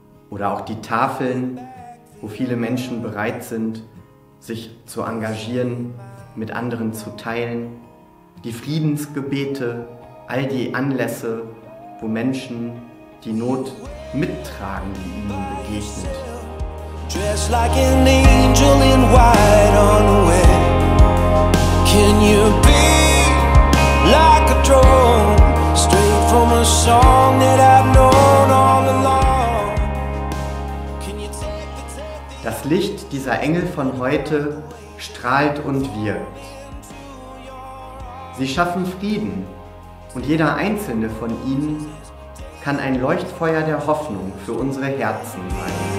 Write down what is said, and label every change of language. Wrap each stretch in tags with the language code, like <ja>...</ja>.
<de>oder auch die Tafeln, wo viele Menschen bereit sind, sich zu engagieren, mit anderen zu teilen, die Friedensgebete, all die Anlässe, wo Menschen die Not mittragen, die ihnen begegnet.</de> <en>Dressed like an angel in white on a wing. Can you be like a drone, straight from a song that I've known all along? Can you take the time?</en> <de>Das Licht dieser Engel von heute strahlt und wirkt. Sie schaffen Frieden und jeder einzelne von ihnen kann ein Leuchtfeuer der Hoffnung für unsere Herzen sein.</de>